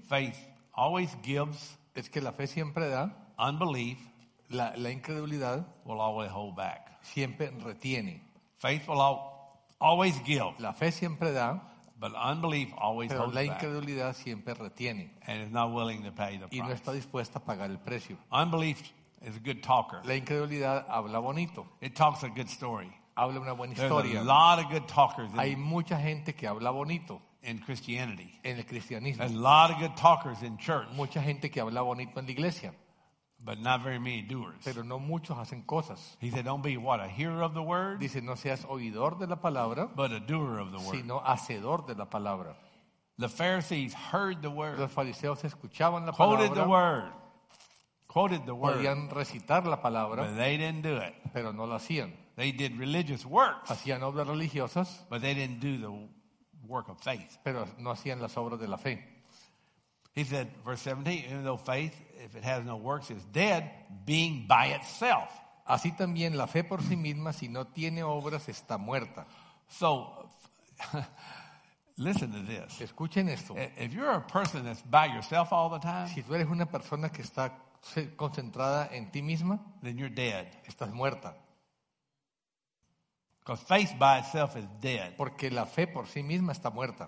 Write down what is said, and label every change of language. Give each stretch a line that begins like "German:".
English: Faith always gives.
Spanish: Es que la fe siempre da.
English: Unbelief.
Spanish: La incredulidad
English: will always hold back.
Spanish: Siempre retiene.
English: Faith will always give.
Spanish: La fe siempre da.
English: But unbelief always holds back.
Spanish: Pero la incredulidad siempre retiene.
English: And is not willing to pay the price.
Spanish: Y no está dispuesta a pagar el precio.
English: Unbelief is a good talker.
Spanish: La incredulidad habla bonito.
English: It talks a good story.
Spanish: Habla una buena
English: There's
Spanish: historia.
English: A lot of good talkers.
Spanish: Hay mucha gente que habla bonito.
English: In Christianity.
Spanish: En el cristianismo.
English: There's a lot of good talkers in church.
Spanish: Mucha gente que habla bonito en la iglesia.
English: But not very many doers.
Spanish: Pero no muchos hacen cosas.
English: He said, "Don't be what a hearer of the word."
Spanish: Dice, no seas oidor de la palabra.
English: But a doer of the word.
Spanish: Sino hacedor de la palabra.
English: The Pharisees heard the word.
Spanish: Los fariseos escuchaban la
English: quoted
Spanish: palabra.
English: The word. Quoted the word.
Spanish: Podían recitar la palabra.
English: But they didn't do it.
Spanish: Pero no lo hacían.
English: They did religious works.
Spanish: Hacían obras religiosas.
English: But they didn't do the work of faith.
Spanish: Pero no hacían las obras de la fe.
English: He said, verse 17, even though faith, if it has no works, is dead, being by itself.
Spanish: Así también la fe por sí misma, si no tiene obras, está muerta.
English: So, listen to this.
Spanish: Escuchen esto.
English: If you're a person that's by yourself all the time,
Spanish: si tú eres una persona que está concentrada en ti misma,
English: then you're dead.
Spanish: Estás muerta.
English: Because faith by itself is dead.
Spanish: Porque la fe por sí misma está muerta.